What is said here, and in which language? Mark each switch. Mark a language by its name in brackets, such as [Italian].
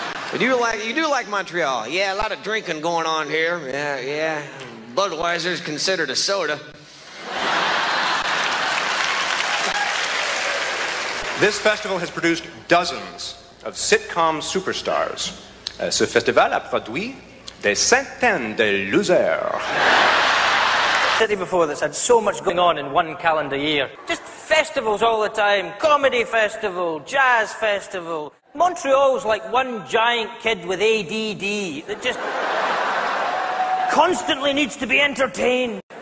[English] But you do like Montreal. Yeah, a lot of drinking going on here. Yeah, yeah. Budweiser is considered a soda. This festival has produced dozens of sitcom superstars. [French] Ce festival a produit des centaines de losers. [English] The city before this had so much going on in one calendar year. Just festivals all the time. Comedy festival, jazz festival. Montreal's like one giant kid with ADD that just constantly needs to be entertained.